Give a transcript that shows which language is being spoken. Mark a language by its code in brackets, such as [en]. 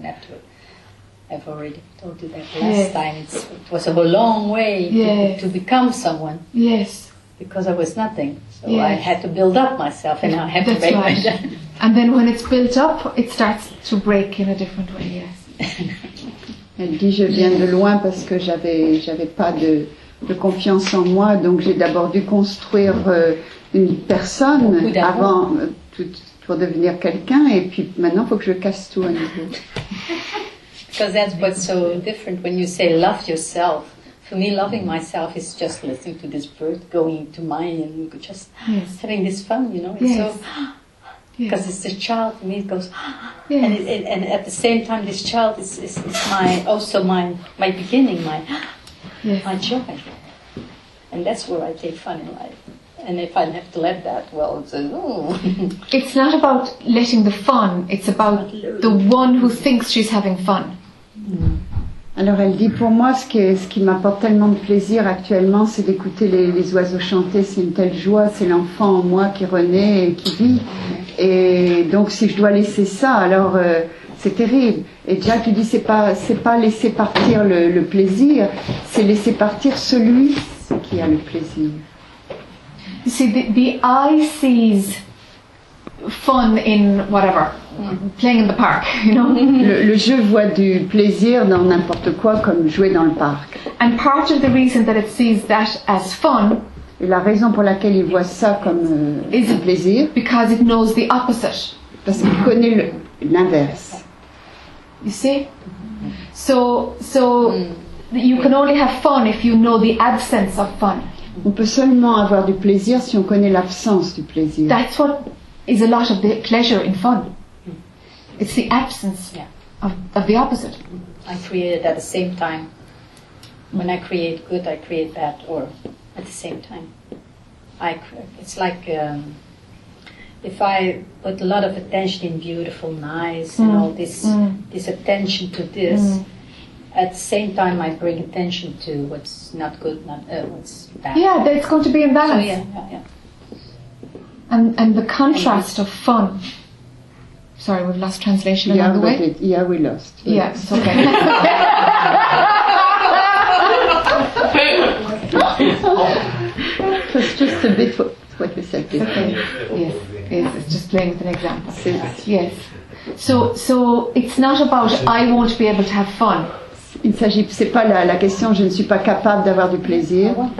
[en] Never, I've already told you that last time. It was a long way to become someone. Yes. Because I was nothing, so I had to build up myself, and now I have to break my And then when it's built up, it starts to break in a different way. Yes. [fr] Elle dit je viens de loin parce que j'avais pas de confiance en moi, donc j'ai d'abord dû construire une personne avant pour devenir quelqu'un, et puis maintenant faut que je casse tout à nouveau. [en] Because that's what's so different when you say love yourself. For me, loving myself is just listening to this bird going to mine and just having this fun, you know. Yes. Because it's a child, and it goes, and at the same time, this child is my also my beginning, my joy, and that's where I take fun in life. And if I have to let that, well, it's a, it's not about letting the fun; it's about the one who thinks she's having fun. [fr] Alors elle dit, pour moi, ce qui m'apporte tellement de plaisir actuellement, c'est d'écouter les oiseaux chanter, c'est une telle joie, c'est l'enfant en moi qui renaît et qui vit. Et donc si je dois laisser ça, alors c'est terrible. Et Jack lui dit, c'est pas laisser partir le plaisir, c'est laisser partir celui qui a le plaisir. [en] You see, the eye sees fun in whatever. Playing in the park, you know. [fr] Le jeu voit du plaisir dans n'importe quoi, comme jouer dans le parc. [en] And part of the reason that it sees that as fun. [fr] Et la raison pour laquelle il voit ça comme [en] is [fr] un plaisir. [en] Because it knows the opposite. [fr] Parce qu'il connaît l'inverse. [en] You see? So you can only have fun if you know the absence of fun. [fr] On peut seulement avoir du plaisir si on connaît l'absence du plaisir. [en] That's what is a lot of the pleasure in fun. It's the absence of the opposite. I create it at the same time. When I create good, I create bad, or at the same time. It's like if I put a lot of attention in beautiful, nice, and all this this attention to this, at the same time I bring attention to what's not good, what's bad. Yeah, it's going to be in balance. So, yeah. And the contrast of fun. Sorry, we've lost translation along the way. We lost. Yes, okay. It's just a bit what you said. It's okay. Yes, it's just playing with an example. Yes. So it's not about I won't be able to have fun. [fr] Il s'agit, c'est pas la question. Je ne suis pas capable d'avoir du plaisir.